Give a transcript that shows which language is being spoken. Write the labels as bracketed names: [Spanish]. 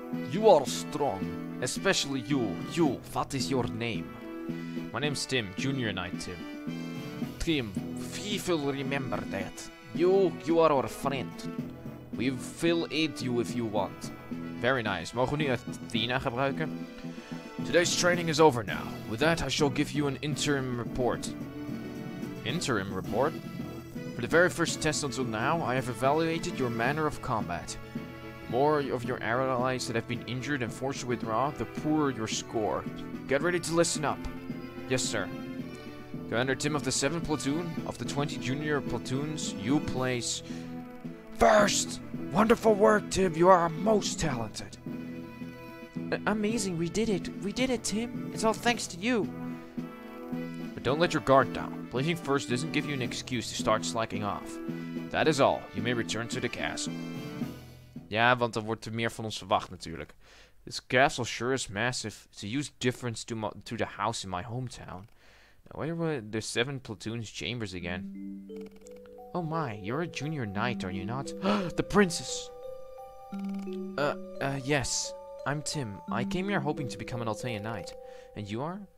[English] You are strong. Especially you. You, what is your name? My name is Tim. Junior Knight Tim. Tim, we will remember that. You are our friend. We will aid you if you want. Very nice. [Dutch] Mogen we nu Athena gebruiken? [English] Today's training is over now. With that, I shall give you an interim report. Interim report? For the very first test until now, I have evaluated your manner of combat. more of your allies that have been injured and forced to withdraw, the poorer your score. Get ready to listen up. Yes, sir. Commander Tim of the 7th Platoon, of the 20 junior platoons, you place first! Wonderful work, Tim. You are most talented. Amazing. We did it. We did it, Tim. It's all thanks to you. But don't let your guard down. Placing first doesn't give you an excuse to start slacking off. That is all. You may return to the castle. [Dutch] Ja, want er wordt meer van ons verwacht natuurlijk. [English] This castle sure is massive. It's a huge difference to the house in my hometown. Now, where were the 7th Platoon's chambers again? Oh my, you're a junior knight, are you not? The princess! Yes. I'm Tim. I came here hoping to become an Altaïa knight. And you are?